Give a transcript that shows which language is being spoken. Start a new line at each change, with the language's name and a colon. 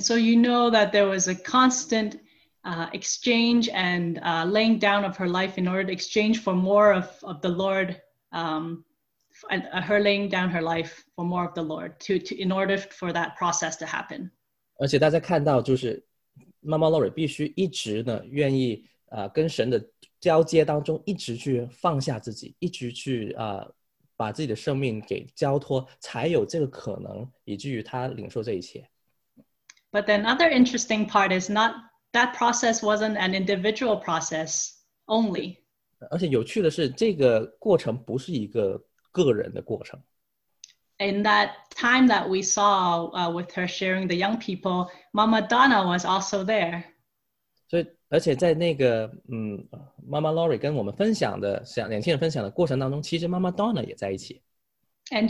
English: so you know that there was a constant exchange and laying down of her life in order to exchange for more of the Lord, and her laying down her life for more of the Lord to in order for that process to happen.
Chinese: 而且大家看到就是妈妈 Lori 必须一直呢愿意跟神的交接当中一直去放下自己，一直去把自己的生命给交托，才有这个可能，以至于她领受这一切。
English: But then another interesting part is not that process wasn't an individual process only.
Chinese: 而且有趣的是这个过程不是一个
English: In that time that we saw with her sharing the young people, Mama Donna was also there.
Chinese: 而且在那个Mama Lori跟我们分享的，年轻人分享的过程当中，其实Mama Donna也在一起。
English: And